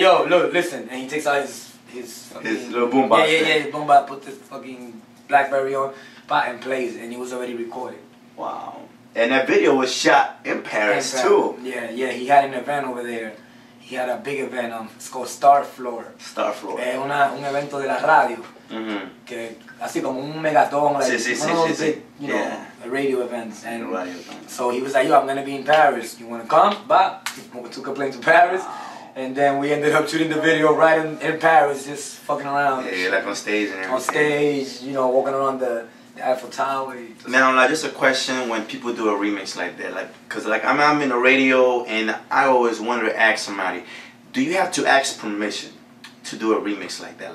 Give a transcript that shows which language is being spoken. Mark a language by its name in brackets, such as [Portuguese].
[English] yo, look, listen, and he takes out his little boombox. Yeah, his boombox, put this fucking BlackBerry on, pop, and plays, and it was already recorded. Wow. And that video was shot in Paris too. Yeah, he had an event over there. He had a big event, it's called Star Floor. [Spanish] Es un evento de la radio, que así como un megatón, like, [English] a radio event. And a radio event. So he was like, yo, I'm gonna be in Paris, you wanna come? But we took a plane to Paris, and then we ended up shooting the video right in Paris, just fucking around. Yeah, like on stage and everything. On stage, you know, walking around the Eiffel Tower. Man, I'm like, just a question, when people do a remix like that, like, cause like I'm in the radio and I always wanted to ask somebody, do you have to ask permission to do a remix like that?